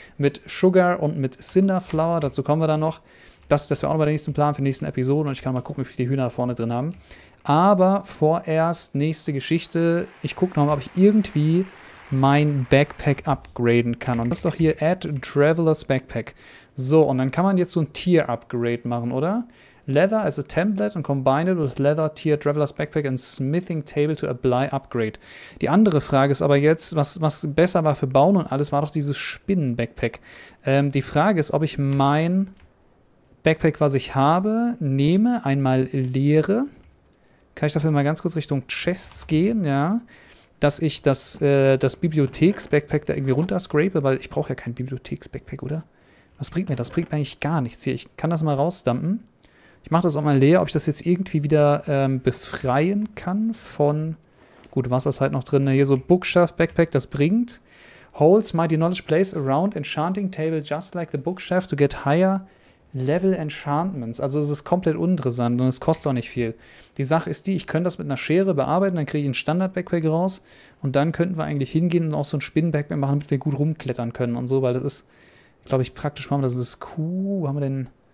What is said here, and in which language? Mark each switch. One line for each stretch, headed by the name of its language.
German: Mit Sugar und mit Cinderflower. Dazu kommen wir dann noch. Das wäre auch noch mal der nächste Plan für die nächsten Episoden. Und ich kann mal gucken, wie viele Hühner da vorne drin haben. Aber vorerst nächste Geschichte. Ich gucke noch mal, ob ich irgendwie mein Backpack upgraden kann. Und das ist doch hier Add Traveler's Backpack. So, und dann kann man jetzt so ein Tier-Upgrade machen, oder?
English: Leather as a template and combine it with leather tier traveler's backpack and smithing table to apply upgrade.
German: Die andere Frage ist aber jetzt, was besser war für Bauen und alles, war doch dieses Spinnen-Backpack. Die Frage ist, ob ich mein Backpack, was ich habe, nehme, einmal leere. Kann ich dafür mal ganz kurz Richtung Chests gehen, ja? Dass ich das Bibliotheks-Backpack da irgendwie runterscrape, weil ich brauche ja kein Bibliotheks-Backpack, oder? Was bringt mir das? Bringt mir eigentlich gar nichts hier. Ich kann das mal rausdumpen. Ich mache das auch mal leer, ob ich das jetzt irgendwie wieder befreien kann von. Gut, Wasser ist halt noch drin. Hier so Bookshelf, Backpack, das bringt.
English: Holds mighty knowledge place around enchanting table just like the bookshelf to get higher level enchantments.
German: Also es ist komplett uninteressant und es kostet auch nicht viel. Die Sache ist die, ich könnte das mit einer Schere bearbeiten, dann kriege ich ein Standard-Backpack raus und dann könnten wir eigentlich hingehen und auch so ein Spinnen-Backpack machen, damit wir gut rumklettern können und so, weil das ist, glaube ich, praktisch. Machen wir das ist Q. Wo haben wir denn?